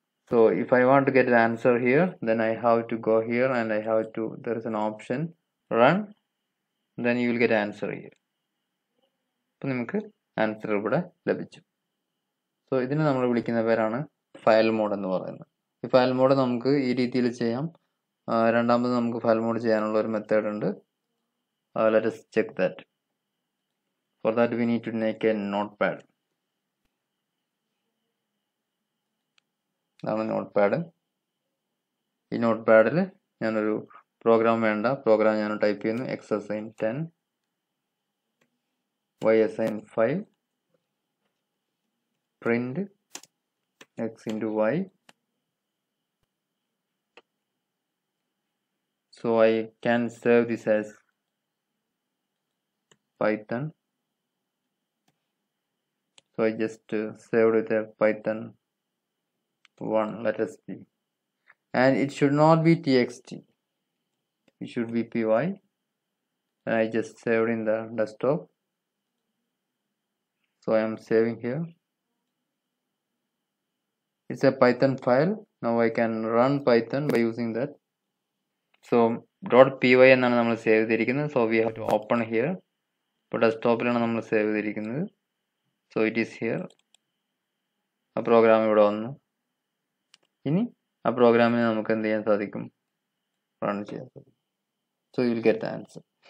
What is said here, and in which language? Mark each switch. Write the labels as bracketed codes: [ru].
[en] So if I want to get answer here, then I have to go here and I have to there is an option run, then you will get answer here. [ml] അപ്പം നമുക്ക് answer ഇവിടെ ലഭിച്ചു. So ഇതിനെ നമ്മൾ വിളിക്കുന്ന പേരാണ് file mode എന്ന് പറയുന്നത്. ഈ ഫയൽ മോഡ് നമുക്ക് ഈ രീതിയിൽ ചെയ്യാം. രണ്ടാമത് നമുക്ക് ഫയൽ മോഡ് ചെയ്യാനുള്ള ഒരു മെത്തേഡ് ഉണ്ട്. [en] Let us check that. For that we need to make a notepad. [ml] ഇതാണ് നോട്ട് പാഡ്. ഈ നോട്ട് പാഡിൽ ഞാനൊരു പ്രോഗ്രാം വേണ്ട, പ്രോഗ്രാം ഞാൻ ടൈപ്പ് ചെയ്യുന്നു. [en] X assign 10, Y assign 5, print X into Y. So I can save this as Python. So I just saved with a Python 1, let us see. And it should not be txt, it should be py. And I just saved in the desktop. So I am saving here. It's a Python file. Now I can run Python by using that. So .py എന്നാണ് നമ്മൾ save ചെയ്തിരിക്കുന്നത്. So we have to open here. [ml] ഇപ്പോൾ ഡെസ്ക്ടോപ്പിലാണ് നമ്മൾ save ചെയ്തിരിക്കുന്നത്. So it is here. ആ programme ഇവിടെ വന്നു. ഇനി ആ പ്രോഗ്രാമിനെ നമുക്ക് എന്ത് ചെയ്യാൻ സാധിക്കും, റൺ ചെയ്യാൻ സാധിക്കും. So you will get answer.